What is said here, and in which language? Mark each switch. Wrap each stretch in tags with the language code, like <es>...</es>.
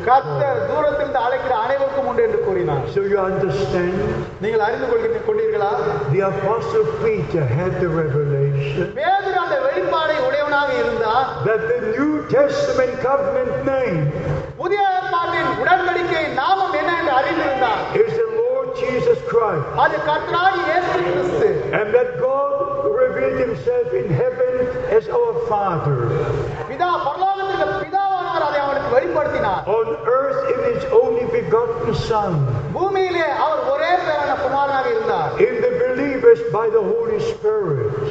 <en>call.</en> <ta>கர்த்தர் தூரத்திலிருந்து அழைக்கிற அனைவருக்கும் உண்டு என்று கூறினார்.</ta> <en>So you understand?</en> <ta>நீங்கள் அறிந்து கொண்டீர்களா?</ta> <en>The apostle Peter had the revelation.</en> <ta>பேதுரு அந்த வெளிப்பாடை உடையவனாக இருந்தா.</ta> <en>That the New Testament covenant name.</en> <ta>புதிய ஏற்பாட்டின் உடன்படிக்கை நாமம் என்ன என்று அறிந்திருந்தார்.</ta> <en>Is the Lord Jesus Christ.</en> <ta>அது கர்த்தராகிய இயேசு கிறிஸ்து.</ta> <en>And that God revealed himself in heaven as our Father.</en> <ta>பிதா பரலோகத்திற்கு பிதாவானவர் அதை அவனுக்கு வெளிப்படுத்தினார்.</ta> <en>On earth in his only begotten Son.</en> <ta>பூமியிலே அவர் ஒரே பேரான குமாரனாக இருந்தார்.</ta> <en>In the believers by the Holy Spirit.</en>